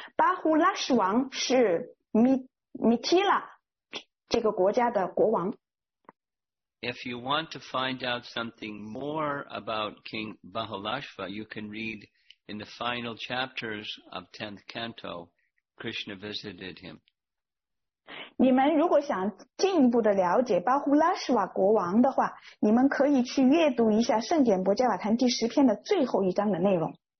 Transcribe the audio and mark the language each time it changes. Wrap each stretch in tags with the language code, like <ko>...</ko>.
<zh>巴胡拉什王是米提拉这个国家的国王。</zh> <en>If you want to find out something more about King Baholashva, you can read in the final chapters of 10th canto, Krishna visited him.</en> <zh>你们如果想进一步的了解巴呼拉什瓦国王的话，你们可以去阅读一下圣典博迦瓦坛第十篇的最后一章的内容。</zh>